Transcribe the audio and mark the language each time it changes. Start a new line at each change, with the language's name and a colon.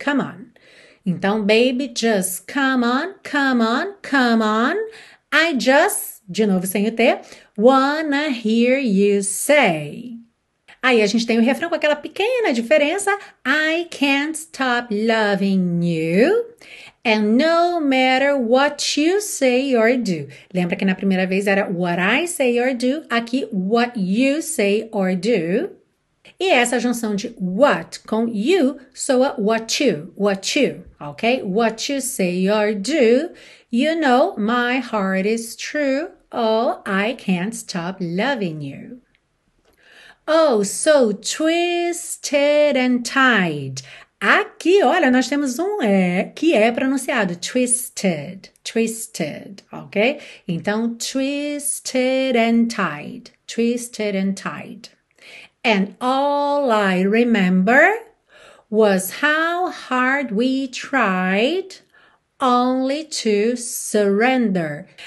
English: Come on. Então, baby, just come on, come on, come on. I just,
Portuguese: de novo sem o T,
English: wanna hear you say.
Portuguese: Aí a gente tem o refrão com aquela pequena diferença.
English: I can't stop loving you. And no matter what you say or do.
Portuguese: Lembra que na primeira vez era
English: what I say or do,
Portuguese: aqui
English: what you say or do.
Portuguese: E essa junção de what com you soa what you, ok?
English: What you say or do, you know my heart is true, oh, I can't stop loving you. Oh, so twisted and tied.
Portuguese: Aqui, olha, nós temos um E que é pronunciado, twisted, twisted, ok?
English: Então, twisted and tied, twisted and tied. And all I remember was how hard we tried only to surrender.